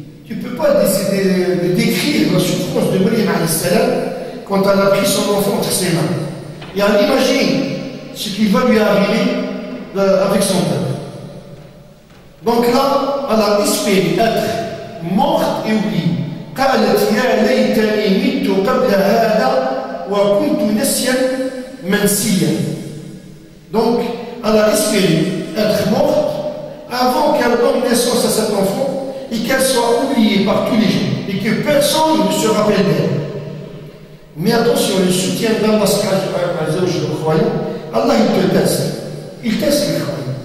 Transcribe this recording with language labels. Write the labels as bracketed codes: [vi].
[fr] Tu ne peux pas décrire la souffrance de Maryam alayhi salam quand elle a pris son enfant entre ses mains. Et elle imagine ce qui va lui arriver avec son père. Donc là, elle a espéré être morte et oubliée. [ar] قالت يا ليتني مت قبل هذا وكنت نسيا منسيا. [fr] Donc elle a espéré être morte avant qu'elle donne naissance à cet enfant et qu'elle soit oubliée par tous les gens et que personne ne se rappelle d'elle. Mais attention, le soutien d'Allah, c'est le croyant. Allah, il te teste. il teste les frères.